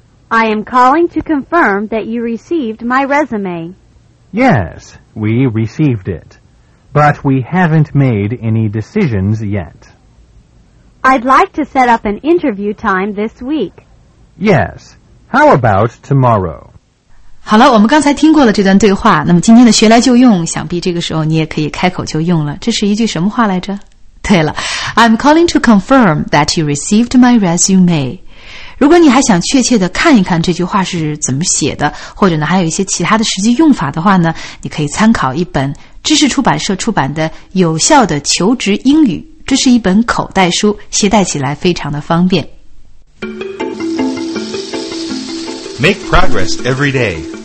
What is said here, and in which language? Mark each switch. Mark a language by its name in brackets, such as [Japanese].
[English] I am calling to confirm that you received my resume. Yes, we received it. But we haven't made any decisions yet. I'd like to set up an interview time this week. Yes. How about tomorrow? [Chinese] 好了，我们刚才听过了这段对话，那么今天的学来就用，想必这个时候你也可以开口就用了。这是一句什么话来着？对了， [English] I'm calling to confirm that you received my resume. [Chinese] 如果你还想确切的看一看这句话是怎么写的，或者呢还有一些其他的实际用法的话呢，你可以参考一本知识出版社出版的《有效的求职英语》，这是一本口袋书，携带起来非常的方便。 [English] Make progress every day，